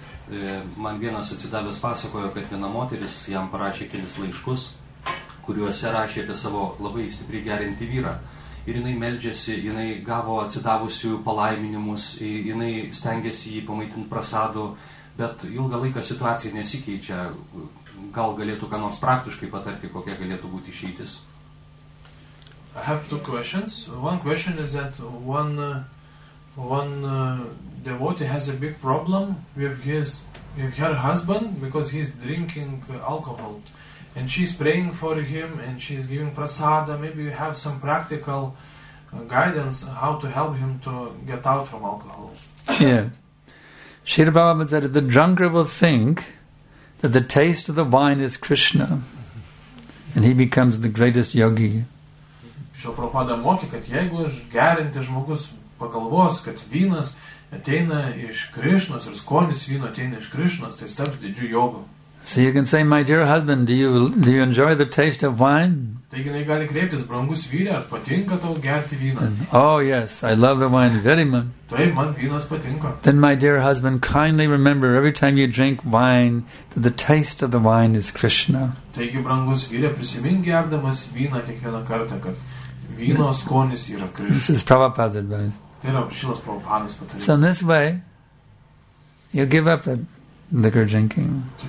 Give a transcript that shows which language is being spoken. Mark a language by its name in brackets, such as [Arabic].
[Lithuanian] Ir man vienas atsidavęs pasakojo, kad viena moteris jam parašė kelis laiškus, kuriuose rašė apie savo labai stipriai gerintį vyrą. Ir jinai meldžiasi, jinai gavo atsidavusių palaiminimus, jinai stengiasi jį pamaitinti prasadu, bet ilgą laiką situacija nesikeičia. Gal galėtų ką nors praktiškai patarti, kokia galėtų būti išeitis? [English] I have two questions. One question is that one devotee has a big problem with her husband because he's drinking alcohol. And she's praying for him, and she's giving prasada. Maybe you have some practical guidance how to help him to get out from alcohol. Yeah. Srila Prabhupada said, if the drunkard will think that the taste of the wine is Krishna, and he becomes the greatest yogi. [Lithuanian] Srila Prabhupada mokė, kad jeigu gerintis žmogus pagalvos, kad vynas ateina iš Krišnos, ir skonis vyno ateina iš Krišnos, tai taps didžiu jogu. [English] So you can say, my dear husband, do you enjoy the taste of wine? [Lithuanian] Taigi, jinai gali kreiptis, brangus vyre, ar patinka tau gerti vyną? [English] Oh, yes, I love the wine very much. [Lithuanian] Taip, man vynas patinka. [English] Then, my dear husband, kindly remember, every time you drink wine, that the taste of the wine is Krishna. [Lithuanian] Taigi, brangus vyre, prisimink gerdamas vyną kiekvieną kartą, kad vyno skonis yra Krishna. [English] This is Prabhupada's advice. [Lithuanian] Tai yra šilas Prabhupada's patarimas. [English] So in this way, you give up the liquor drinking.